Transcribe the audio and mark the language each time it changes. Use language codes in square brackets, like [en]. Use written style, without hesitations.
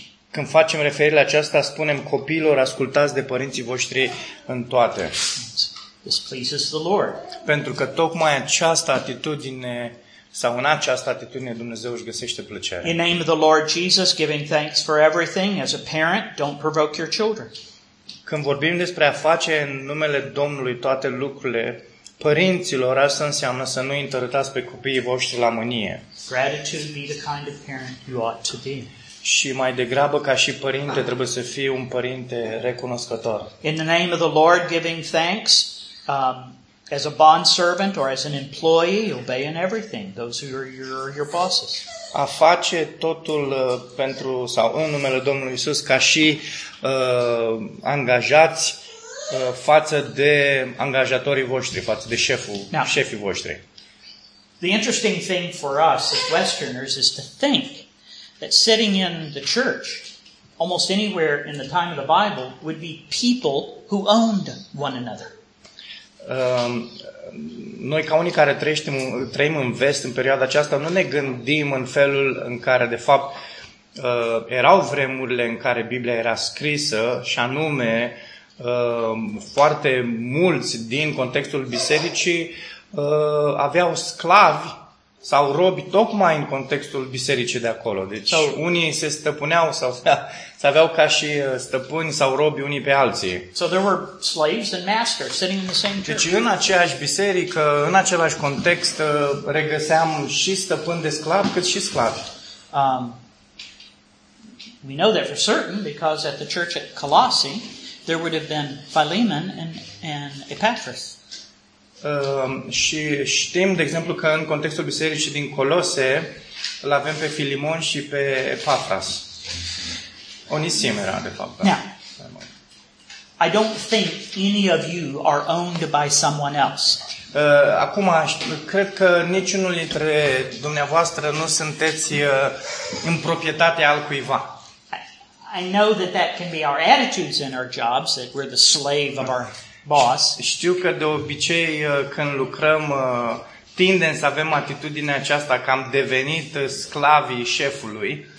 [ro] Când facem referire la aceasta, spunem copiilor, ascultați de părinții voștri în toate. [en] This pleases the Lord. [ro] Pentru că tocmai această atitudine sau în această atitudine Dumnezeu își găsește plăcere. [en] In name of the Lord Jesus, giving thanks for everything, as a parent, don't provoke your children. [ro] Când vorbim despre a face în numele Domnului toate lucrurile, părinților, asta înseamnă să nu întărâtați pe copiii voștri la mânie. [en] Gratitude be the kind of parent you ought to be. [ro] Și mai degrabă ca și părinte trebuie să fie un părinte recunoscător. [en] In the name of the Lord giving thanks, as a bondservant or as an employee, obey in everything those who are your bosses. [ro] A face totul pentru sau în numele Domnului Iisus ca și angajați față de angajatorii voștri, față de șeful, [en] now, [ro] șefii voștri. [en] The interesting thing for us as Westerners is to think that sitting in the church almost anywhere in the time of the Bible would be people who owned one another. [ro] Noi ca unii care trăim în vest în perioada aceasta nu ne gândim în felul în care de fapt erau vremurile în care Biblia era scrisă și anume foarte mulți din contextul bisericii aveau sclavi sau robi tocmai în contextul bisericii de acolo. Deci unii se stăpâneau sau se aveau ca și stăpâni sau robi unii pe alții. [en] So there were slaves and masters sitting in the same church. [ro] Deci în aceeași biserică, în același context, regăseam și stăpâni de sclavi, cât și sclavi. [en] We know that for certain because at the church at Colossae there would have been Philemon and Epaphras. [ro] Și știm, de exemplu, că în contextul bisericii din Colose l-avem pe Filimon și pe Epaphras. Onisim era, de fapt. [en] Now, I don't think any of you are owned by someone else. [ro] Acum, cred că niciunul dintre dumneavoastră nu sunteți în proprietatea altcuiva. [en] I know that can be our attitudes in our jobs, that we're the slave of our boss. [ro] Știu că de obicei când lucrăm tindem să avem atitudinea aceasta că am devenit sclavii șefului.